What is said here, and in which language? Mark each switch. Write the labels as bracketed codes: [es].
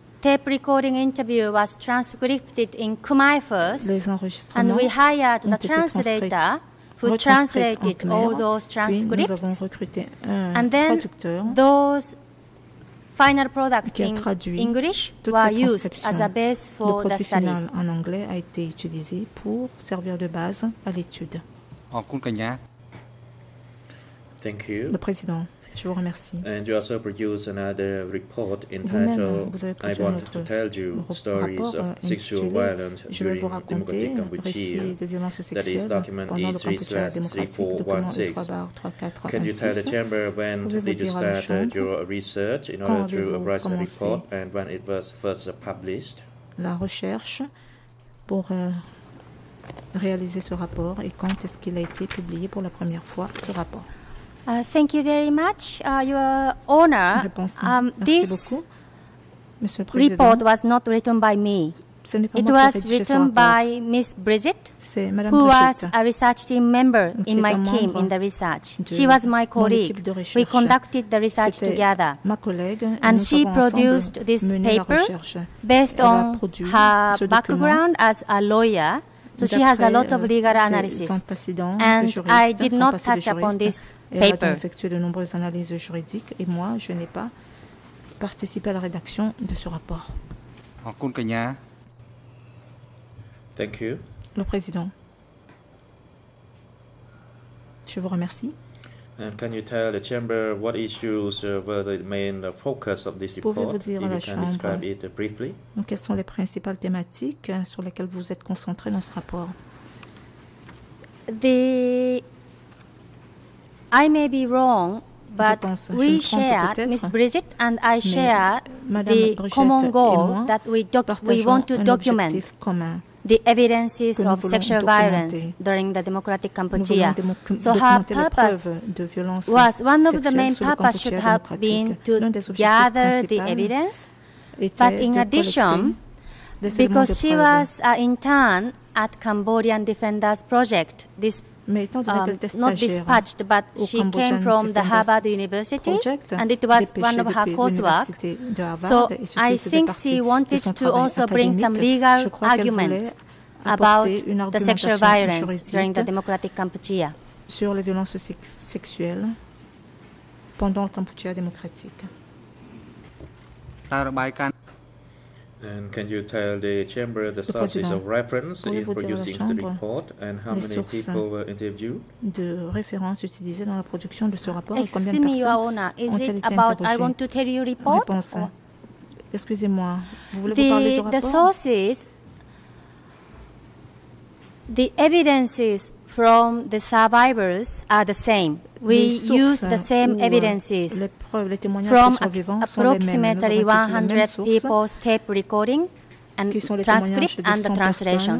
[en] The tape recording interview was transcripted in Khmer first, [fr] les enregistrements [en] and we hired the translator who translated Khmer, all those transcripts. [fr] Puis nous avons recruté un [en] and then [fr] traducteur [en] those final products in English were used as a base for the studies. [fr] Le produit final en anglais a été utilisé pour servir de base à l'étude. [en] Thank you. [fr] Le président. Je vous remercie. [en] And you also produced another report entitled I Want to Tell You Stories of Sexual Violence During Democratic Cambodia. That is document E3/3416. Can you tell the chamber when did you start your research in order to write the report and when it was first published? [fr] La recherche pour réaliser ce rapport et quand est-ce qu'il a été publié pour la première fois ce rapport? [en] Thank you very much, Your Honor. [fr] Merci beaucoup, Monsieur le Président. [en] This report was not written by me. It was written by Miss Bridget, who was a research team member in my team in the research. She was my colleague. We conducted the research together. And she produced this paper based on her background as a lawyer. So she has a lot of legal analysis. And I did not touch upon this paper. [fr] De nombreuses analyses juridiques et moi, je n'ai pas participé à la rédaction de ce rapport. [en] Thank you. [fr] Le président. Je vous remercie. [en] And can you tell the chamber what issues were the main focus of this report? [fr] Pouvez-vous dire [en] if [fr] la [en] you can [fr] chambre, [en] describe it briefly? [fr] Quelles sont les principales thématiques sur lesquelles vous êtes concentré dans ce rapport? [en] I may be wrong, but we share, Ms. Bridget and I share the common goal that we want to document the evidences of sexual violence during the Democratic Cambodia. So her purpose was, one of the main purposes should have been to gather the evidence, but in addition, because she was an intern at Cambodian Defenders Project, this not dispatched, but she came from the Harvard University, and it was one of her coursework. So I think she wanted to also bring some legal arguments about the sexual violence during the Democratic Cambodia. [fr] Sur les violences sexuelles pendant le Cambodia démocratique. [en] And can you tell the chamber the sources of reference in producing the report and how many people were interviewed? [fr] De référence utilisée dans la production de ce rapport. [en] Excuse me, Your Honor. Is it about I want to tell you report? [fr] Excusez-moi. Vous voulez vous parler du rapport? [en] The sources, the evidences from the survivors are the same. We use the same evidences from approximately 100 people's tape recording and transcript and the translation.